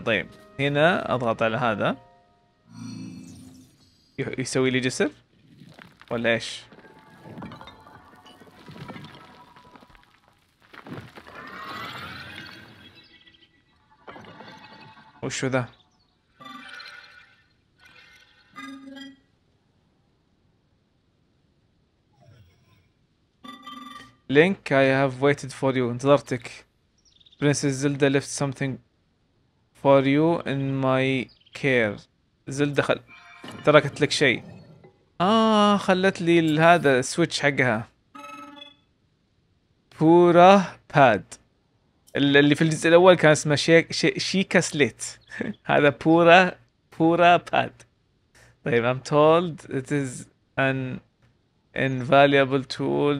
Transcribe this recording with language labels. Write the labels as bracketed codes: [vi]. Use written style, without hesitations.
[ar] طيب هنا اضغط على هذا يسوي لي جسر ولا ايش؟ وشو ذا؟ لينك، [en] I have waited for you، [ar] انتظرتك. [en] Princess Zelda left something for you in my care. [ar] Zelda تركت لك شيء. خلت لي هذا السويتش حقها. بورا باد. اللي في الجزء الأول كان اسمه شيكا سليت. هذا بورا باد. [en] طيب I'm told it is an invaluable tool.